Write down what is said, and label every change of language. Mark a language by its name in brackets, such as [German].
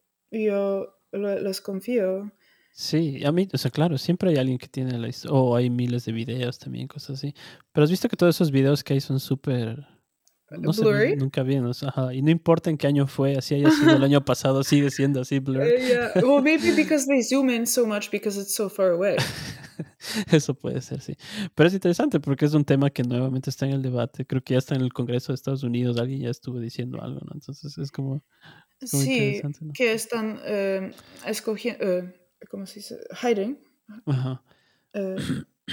[Spanish] Yo. Los confío. Sí, a mí, o sea, claro, siempre hay alguien que tiene la historia, hay miles de videos también, cosas así. Pero has visto que todos esos videos que hay son súper... no blurry. Sé, nunca vi, ¿no? Y no importa en qué año fue, así haya sido el año pasado, sigue siendo así, blurry. [English] Yeah. Well, maybe because they zoom in so much because it's so far away. [Spanish] Eso puede ser, sí. Pero es interesante porque es un tema que nuevamente está en el debate. Creo que ya está en el Congreso de Estados Unidos, alguien ya estuvo diciendo algo, ¿no? Entonces es como... como sí, ¿no? Que están escogiendo, ¿cómo se dice? Hiding. Ajá.